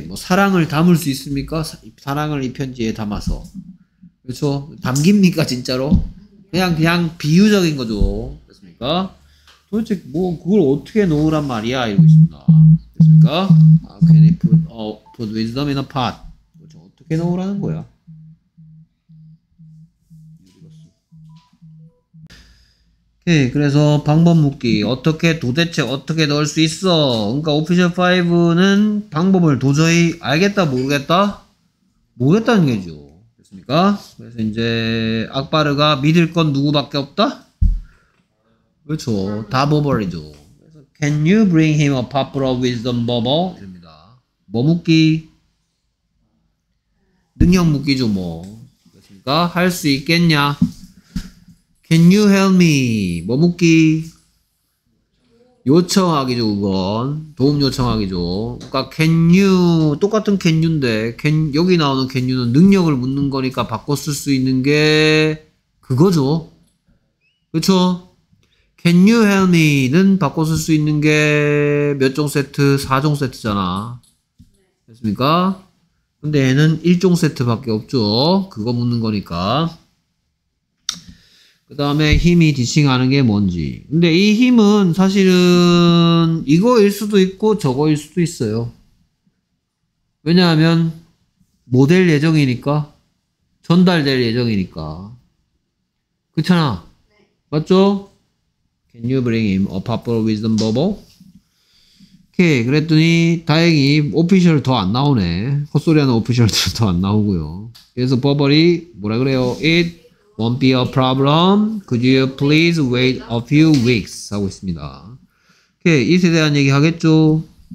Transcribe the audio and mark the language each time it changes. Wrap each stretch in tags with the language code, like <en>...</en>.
<ko>뭐, 사랑을 담을 수 있습니까? 사랑을 이 편지에 담아서. 그렇죠? 담깁니까, 진짜로? 그냥 비유적인 거죠. 됐습니까? 도대체, 뭐, 그걸 어떻게 놓으란 말이야? 이러고 있습니다. 됐습니까?</ko> <en>How can he put wisdom in a pot?</en> <ko>그렇죠? 어떻게 놓으라는 거야? 오케이. 그래서 방법 묻기 어떻게 도대체 어떻게 넣을 수 있어. 그러니까 오피셜 5는 방법을 도저히 알겠다 모르겠다는 얘기죠. 됐습니까? 그래서 이제 악바르가 믿을 건 누구밖에 없다. 그렇죠. 다 버버리죠.</ko> <en>Can you bring him a popular wisdom bubble?</en> <ko>됩니다. 뭐 묻기? 능력 묻기죠 뭐. 됐습니까? 할 수 있겠냐?</ko> <en>Can you help me?</en> <ko>뭐 묻기? 요청하기죠, 그건. 도움 요청하기죠. 그러니까 can you, 똑같은 can you인데 can, 여기 나오는 can you는 능력을 묻는 거니까 바꿔 쓸 수 있는 게 그거죠. 그쵸?</ko> <en>Can you help me는</en> <ko>바꿔 쓸 수 있는 게 몇 종 세트? 4종 세트잖아. 됐습니까? 근데 얘는 1종 세트밖에 없죠. 그거 묻는 거니까. 그 다음에 힘이 지칭하는 게 뭔지. 근데 이 힘은 사실은 이거일 수도 있고 저거일 수도 있어요. 왜냐하면 뭐 될 예정이니까 전달될 예정이니까 그렇잖아. 네. 맞죠?</ko> <en>Can you bring him a popular wisdom bubble?</en> <ko>오케이. 그랬더니 다행히 오피셜 더 안 나오네. 헛소리하는 오피셜도 더 안 나오고요. 그래서 버벌이 뭐라 그래요?</ko> <en>It won't be a problem. Could you please wait a few weeks?</en> <ko>하고 있습니다. 오케이, 이에 대한 얘기 하겠죠?</ko>